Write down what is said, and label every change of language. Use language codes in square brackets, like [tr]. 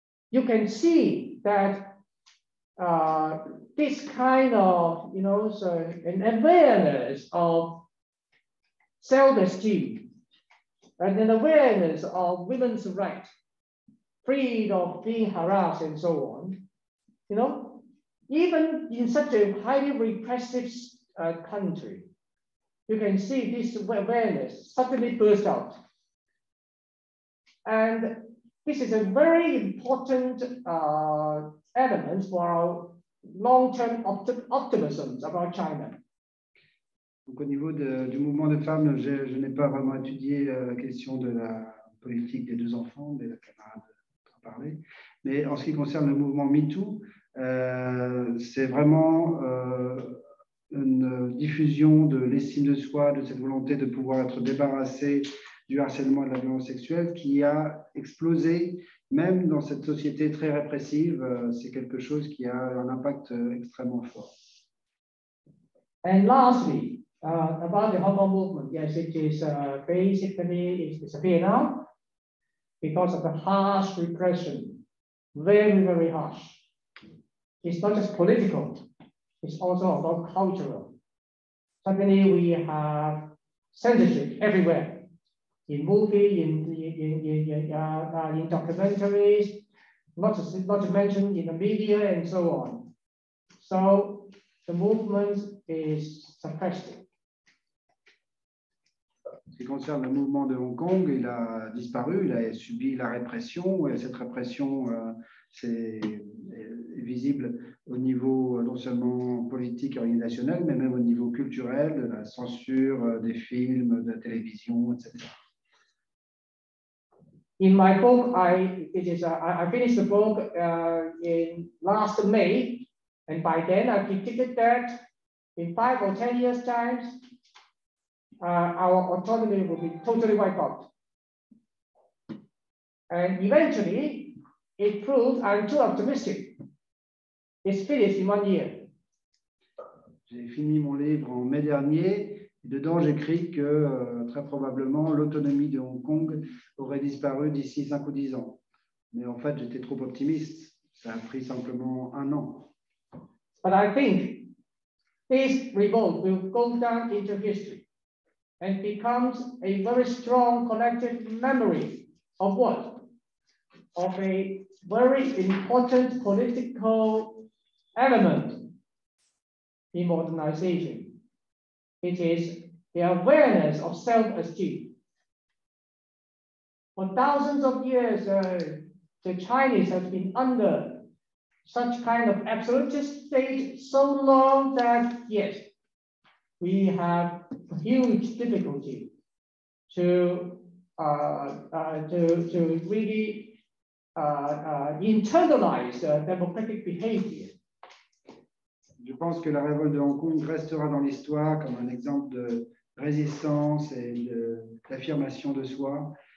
[en] You can see that this kind of, you know, so an awareness of self-esteem and an awareness of women's rights, freedom of being harassed and so on, you know, even in such a highly repressive country, you can see this awareness suddenly burst out. And this is a very important element for our long-term optimism about China. [fr] Donc, au niveau du mouvement des femmes, je n'ai pas vraiment étudié la question de la politique des deux enfants, mais la camarade a parlé. Mais en ce qui concerne le mouvement MeToo, c'est vraiment une diffusion de l'estime de soi, de cette volonté de pouvoir être débarrassé du harcèlement et de la violence sexuelle qui a explosé, même dans cette société très répressive, c'est quelque chose qui a un impact extrêmement fort. [en] And lastly, about the Hong Kong movement, yes, it is basically it's disappeared now because of the harsh repression, very, very harsh. It's not just political, it's also about cultural. Suddenly we have censorship everywhere. In movie, in documentaries, not to mention in the media and so on. So the movement is suppressed. [fr] En ce qui concerne le mouvement de Hong Kong, il a disparu, il a subi la répression, et cette répression est visible au niveau non seulement politique et organisationnel, mais même au niveau culturel, de la censure des films, de la télévision, etc. [en] In my book, I finished the book in last May, and by then I predicted that in 5 or 10 years' time, our autonomy will be totally wiped out. And eventually, it proved I'm too optimistic. It's finished in 1 year. [fr] J'ai fini mon livre en mai dernier. Dedans, j'écris que très probablement l'autonomie de Hong Kong aurait disparu d'ici 5 ou 10 ans. Mais en fait, j'étais trop optimiste. Ça a pris simplement un an. [en] But I think this revolt will go down into history and becomes a very strong collective memory of what? Of a very important political element in modernization. It is the awareness of self-esteem. For thousands of years, the Chinese have been under such kind of absolutist state so long that, yes, we have huge difficulty to really internalize democratic behavior. [fr] Je pense que la révolte de Hong Kong restera dans l'histoire comme un exemple de résistance et d'affirmation de soi.